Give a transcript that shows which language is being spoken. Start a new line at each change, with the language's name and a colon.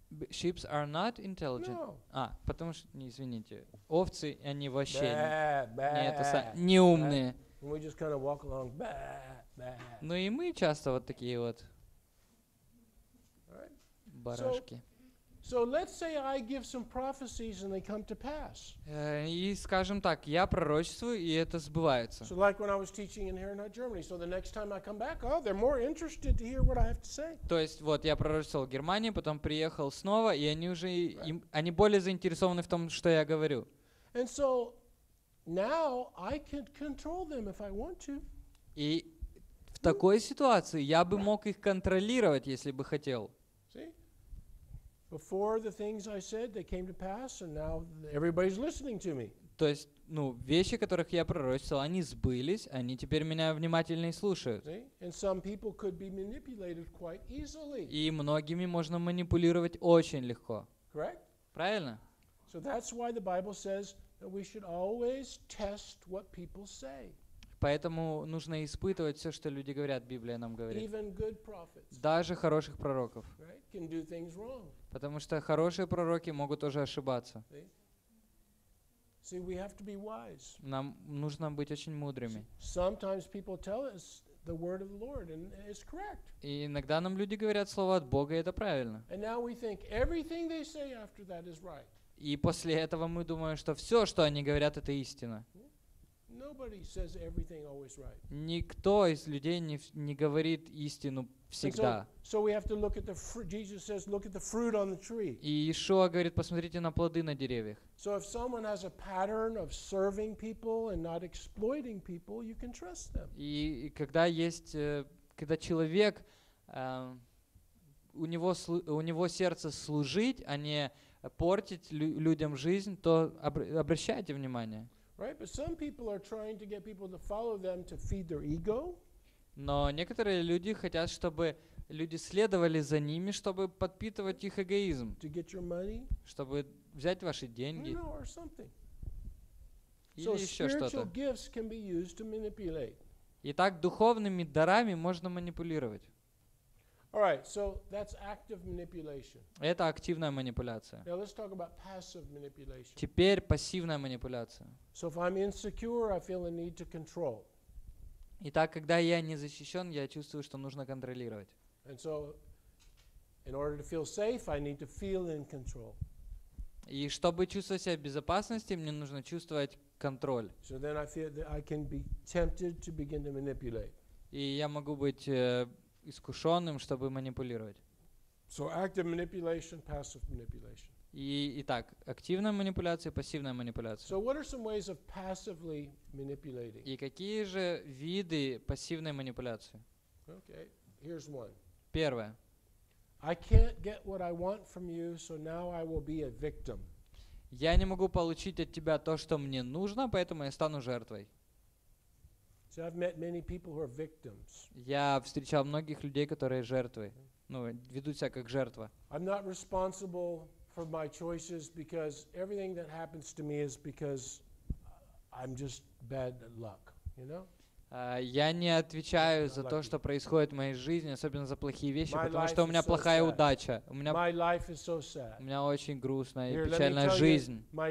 English: Sheep are not intelligent. No.
Russian: Потому что, не, извините, овцы, они вообще не умные.
English: And we just kind of walk along.
Russian: Ну и мы часто вот такие вот барашки.
English: So let's say I give some prophecies and they come to pass.
Russian: И скажем так, я пророчествую, и это сбывается.
English: So like when I was teaching in Herrenhut, Germany, so the next time I come back, oh, they're more interested to hear what I have to say.
Russian: То есть вот я пророчествовал в Германии, потом приехал снова, и они уже они более заинтересованы в том, что я говорю.
English: And so now I can control them if I want to.
Russian: И в такой ситуации я бы мог их контролировать, если бы хотел.
English: Before the things I said, they came to pass, and now everybody's listening to me.
Russian: То есть, ну, вещи, которых я пророчествовал, они сбылись, они теперь меня внимательно слушают.
English: And some people could be manipulated quite easily.
Russian: И многими можно манипулировать очень легко.
English: Correct?
Russian: Правильно?
English: So that's why the Bible says that we should always test what people say.
Russian: Поэтому нужно испытывать все, что люди говорят, Библия нам говорит.
English: Even good prophets.
Russian: Даже хороших пророков.
English: Right? Can do things wrong.
Russian: Потому что хорошие пророки могут тоже ошибаться.
English: See, we have to be wise.
Russian: Нам нужно быть очень мудрыми.
English: Sometimes people tell us the word of the Lord, and it's correct.
Russian: И иногда нам люди говорят слово от Бога, и это правильно.
English: And now we think everything they say after that is right.
Russian: И после этого мы думаем, что все, что они говорят, это истина.
English: Nobody says everything always right.
Russian: Никто из людей не говорит истину всегда.
English: So we have to look at the Jesus says, look at the fruit on the tree.
Russian: И Иешуа говорит, посмотрите на плоды на деревьях.
English: So if someone has a pattern of serving people and not exploiting people, you can trust them.
Russian: И когда есть, когда человек, у него сердце служить, а не портить людям жизнь, то обращайте внимание.
English: Right, but some people are trying to get people to follow them to feed their ego.
Russian: Но некоторые люди хотят, чтобы люди следовали за ними, чтобы подпитывать их эгоизм.
English: To get your money.
Russian: Чтобы взять ваши деньги.
English: You know, or something.
Russian: Или еще что-то.
English: So spiritual gifts can be used to manipulate.
Russian: Итак, духовными дарами можно манипулировать.
English: All right, so that's active manipulation.
Russian: Это активная манипуляция.
English: Now let's talk about passive manipulation.
Russian: Теперь пассивная манипуляция.
English: So if I'm insecure, I feel a need to control.
Russian: Итак, когда я не защищен, я чувствую, что нужно контролировать.
English: And so, in order to feel safe, I need to feel in control.
Russian: И чтобы чувствовать себя в безопасности, мне нужно чувствовать контроль.
English: So then I feel that I can be tempted to begin to manipulate.
Russian: И я могу быть искушенным, чтобы манипулировать.
English: So active manipulation, passive manipulation.
Russian: Итак, активная манипуляция, пассивная манипуляция.
English: So what are some ways of passively manipulating?
Russian: И какие же виды пассивной манипуляции?
English: Okay, here's one.
Russian: Первое.
English: I can't get what I want from you, so now I will be a victim.
Russian: Я не могу получить от тебя то, что мне нужно, поэтому я стану жертвой.
English: So I've met many people who are victims.
Russian: Я встречал многих людей, которые жертвы, ну, ведут себя как жертва.
English: I'm not responsible for my choices because everything that happens to me is because I'm just bad luck, you know?
Russian: Я не отвечаю за то, что происходит в моей жизни, особенно за плохие вещи, потому что у меня плохая удача. У меня очень грустная и печальная жизнь.